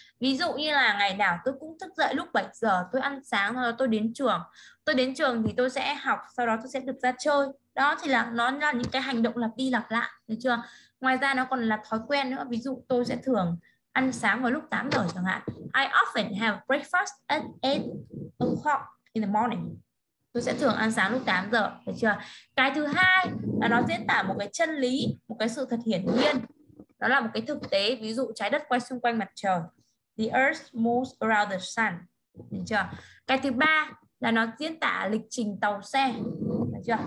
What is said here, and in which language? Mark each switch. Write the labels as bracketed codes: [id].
[vi] Ví dụ như là ngày nào tôi cũng thức dậy lúc 7 giờ, tôi ăn sáng rồi tôi đến trường. Tôi đến trường thì tôi sẽ học, sau đó tôi sẽ được ra chơi. Đó thì là nó là những cái hành động lặp đi lặp lại. Được chưa? Ngoài ra nó còn là thói quen nữa. Ví dụ tôi sẽ thường ăn sáng vào lúc 8 giờ chẳng hạn. [en] I often have breakfast at 8 o'clock in the morning. [vi] Tôi sẽ thường ăn sáng lúc 8 giờ, được chưa? Cái thứ hai là nó diễn tả một cái chân lý, một cái sự thật hiển nhiên. Đó là một cái thực tế, ví dụ trái đất quay xung quanh mặt trời. [en] The earth moves around the sun, [vi] được chưa? Cái thứ ba là nó diễn tả lịch trình tàu xe, được chưa?